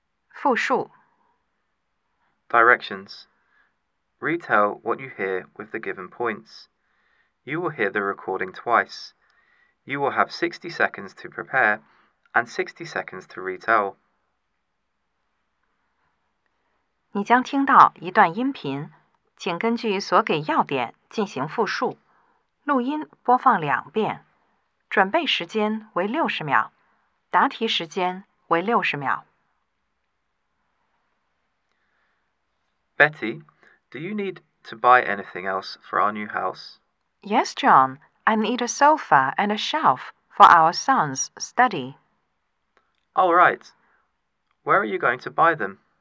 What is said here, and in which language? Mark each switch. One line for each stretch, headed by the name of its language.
Chinese: 复述
English: Directions. Retell what you hear with the given points. You will hear the recording twice. You will have 60 seconds to prepare and 60 seconds to retell.
Chinese: 你将听到一段音频，请根据所给要点进行复述。录音播放两遍，准备时间为60秒，答题时间为60秒。
English: Betty, do you need to buy anything else for our new house? Yes, John. I need a sofa and a shelf for our son's study. All right. Where are you going to buy them?